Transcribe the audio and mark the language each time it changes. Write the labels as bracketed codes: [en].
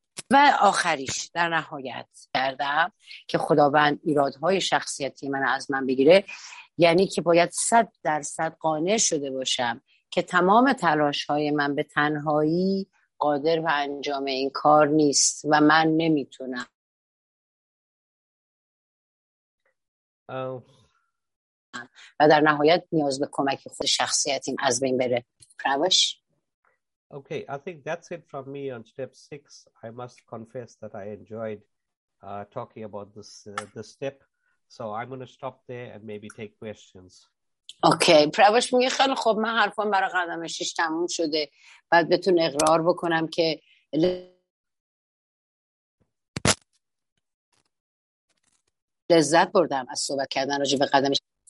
[fa] و آخریش در نهایت کردم که خداوند ایرادهای شخصیتی من از من بگیره، یعنی که باید 100% قانع شده باشم که تمام تلاش های من به تنهایی قادر به انجام این کار نیست و من نمیتونم. و در نهایت نیاز به کمک خود شخصیتیم از بین بره. پرویش. [en] Okay, I think that's it from me on step 6. I must confess that I enjoyed talking about this step. So I'm going to stop there and maybe take questions. [fa] Okay, پرویش میگه خیلی خوب، من حرفم برای قدم 6 تموم شده. بعد بتون اقرار بکنم که لذت بردم از صحبت کردن راجع به قدم 6.